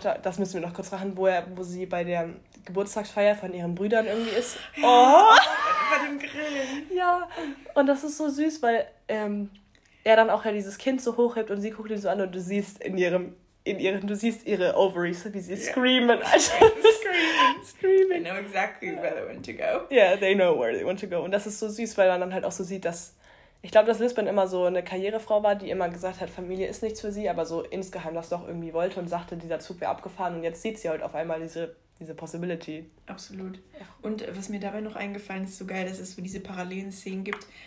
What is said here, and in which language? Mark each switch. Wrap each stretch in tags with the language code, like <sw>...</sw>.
<de>Das müssen wir noch kurz machen, wo sie bei der Geburtstagsfeier von ihren Brüdern irgendwie ist. Oh! Bei dem Grillen. Ja. Und das ist so süß, weil er dann auch ja dieses Kind so hochhebt und sie guckt ihn so an und du siehst du siehst ihre Ovaries, wie sie screamen.</de> <en>Screaming. They know exactly where they want to go. Yeah, they know where they want to go.</en> <de>Und das ist so süß, weil man dann halt auch so sieht, dass, ich glaube, dass Lisbon immer so eine Karrierefrau war, die immer gesagt hat, Familie ist nichts für sie, aber so insgeheim das doch irgendwie wollte und sagte, dieser Zug wäre abgefahren und jetzt sieht sie halt auf einmal diese Possibility. Absolut. Und was mir dabei noch eingefallen ist, so geil, dass es so diese parallelen Szenen gibt.</de>